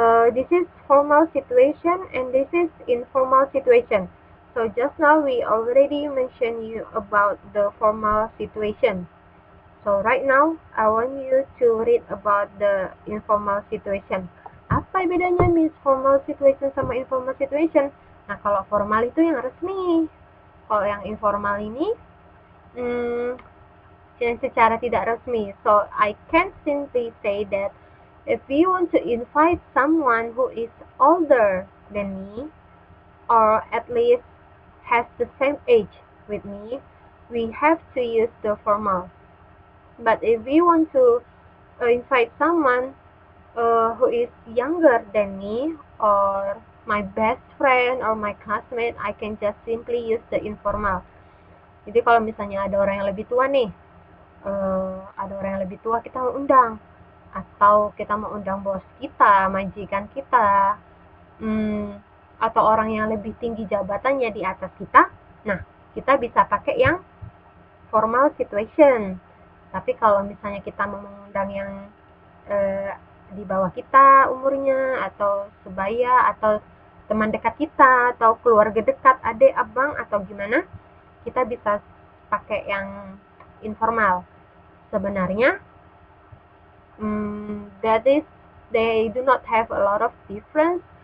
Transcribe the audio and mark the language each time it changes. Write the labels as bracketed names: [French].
[English] This is formal situation and this is informal situation. So just now we already mentioned you about the formal situation. So right now I want you to read about the informal situation. [Indonesian] Apa bedanya Miss formal situation sama informal situation? Nah, kalau formal itu yang resmi. Kalau yang informal ini yang secara tidak resmi. [English] So I can simply say that if you want to invite someone who is older than me, or at least has the same age with me, we have to use the formal. But if we want to invite someone who is younger than me, or my best friend, or my classmate, I can just simply use the informal. [Indonesian] Jadi kalau misalnya ada orang yang lebih tua nih, ada orang yang lebih tua kita undang. atau kita mau undang bos kita, majikan kita, atau orang yang lebih tinggi jabatannya di atas kita. Nah, kita bisa pakai yang formal situation. Tapi kalau misalnya kita mau mengundang yang di bawah kita umurnya, atau sebaya, atau teman dekat kita, atau keluarga dekat, adik, abang, atau gimana, kita bisa pakai yang informal. Sebenarnya, [English] that is, they do not have a lot of difference.